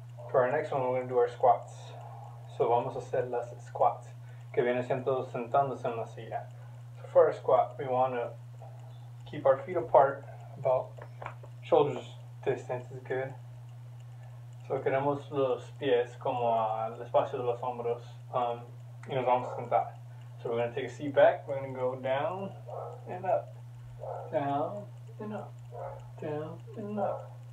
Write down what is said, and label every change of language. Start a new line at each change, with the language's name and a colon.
English: For our next one, we're going to do our squats. So
Spanish: vamos a hacer las squats. Que viene siendo sentándose en la silla.
English: So for our squat, we want to keep our feet apart, about shoulders distance is good.
Spanish: So queremos los pies como al espacio de los hombros, y nos vamos a sentar.
English: So we're going to take a seat back, we're going to go down and up, down and up, down and up.